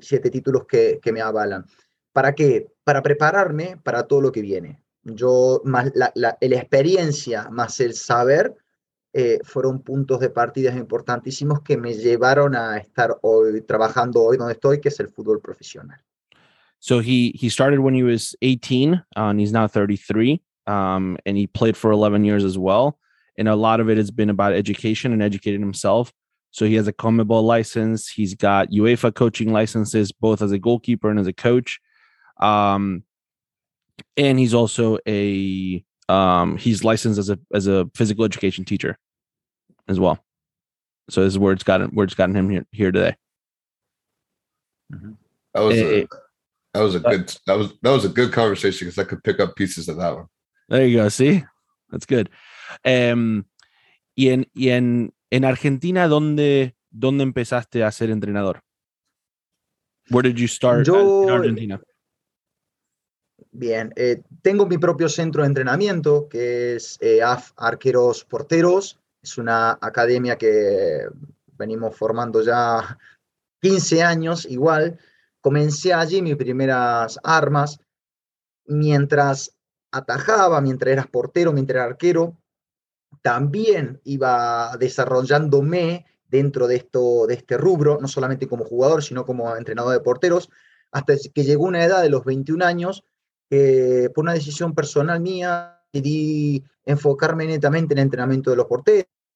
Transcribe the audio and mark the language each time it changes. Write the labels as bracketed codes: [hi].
[es] 7 títulos que me avalan. ¿Para qué? Para prepararme para todo lo que viene. Yo, más la experiencia más el saber, fueron puntos de partida importantísimos que me llevaron a estar hoy, trabajando hoy donde estoy, que es el fútbol profesional. [en] So he started when he was 18, and he's now 33, and he played for 11 years as well. And a lot of it has been about education and educating himself. So he has a Conmebol license. He's got UEFA coaching licenses, both as a goalkeeper and as a coach. And he's also he's licensed as a physical education teacher as well. So this is where it's gotten him here today. Mm-hmm. That was a good conversation because I could pick up pieces of that one. There you go. See, that's good. [es] Y en Argentina, ¿dónde empezaste a ser entrenador? [en] Where did you start in Argentina? [es] Bien, tengo mi propio centro de entrenamiento que es AF Arqueros Porteros. Es una academia que venimos formando ya 15 años igual. Comencé allí mis primeras armas. Mientras atajaba, mientras era portero, mientras era arquero, también iba desarrollándome dentro de este rubro, no solamente como jugador, sino como entrenador de porteros, hasta que llegó una edad de los 21 años, que por una decisión personal mía, decidí enfocarme netamente en el entrenamiento de los porteros.